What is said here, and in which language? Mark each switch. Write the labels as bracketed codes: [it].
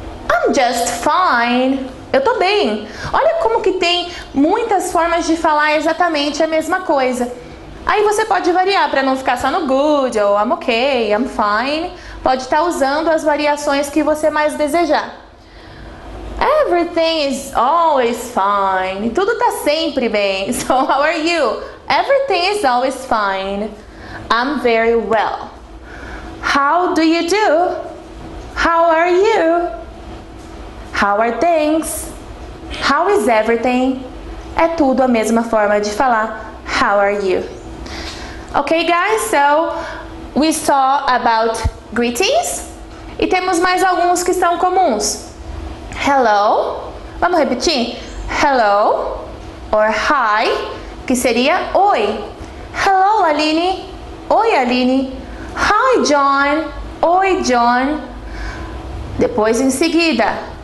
[en] I'm just fine. [pt] Eu tô bem. Olha como que tem muitas formas de falar exatamente a mesma coisa. Aí você pode variar para não ficar só no good ou [en] I'm okay, I'm fine. [pt] Pode estar usando as variações que você mais desejar. [en] Everything is always fine. [pt] Tudo tá sempre bem. [en] So how are you? Everything is always fine. I'm very well. How do you do? How are you? How are things? How is everything? [pt] É tudo a mesma forma de falar. [en] How are you? Okay, guys, so we saw about greetings. [pt] E temos mais alguns que são comuns. Hello. Vamos repetir? Hello. [en] Or hi, [pt] que seria oi. Hello, Aline. Oi, Aline. Hi, John. Oi, John. Depois, em seguida.